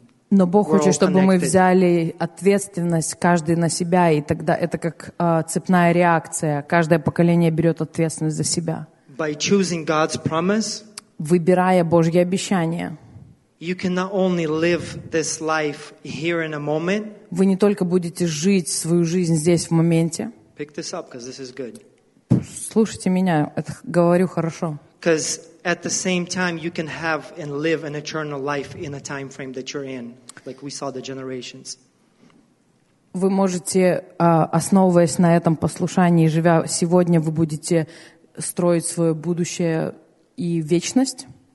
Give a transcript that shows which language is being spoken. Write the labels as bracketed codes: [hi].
[ru] Но Бог хочет, чтобы мы взяли ответственность каждый на себя, и тогда это как цепная реакция. Каждое поколение берет ответственность за себя. [en] By choosing God's promise, [ru] выбирая Божье обещание, [en] you can not only live this life here in a moment, [ru] вы не только будете жить свою жизнь здесь в моменте. [en] Pick this up, because this is good. [ru] Слушайте меня, это говорю хорошо. [en] Because at the same time, you can have and live an eternal life in a time frame that you're in, like we saw the generations. [ru] Вы можете, основываясь на этом послушании, живя сегодня, вы будете строить свое будущее и вечность?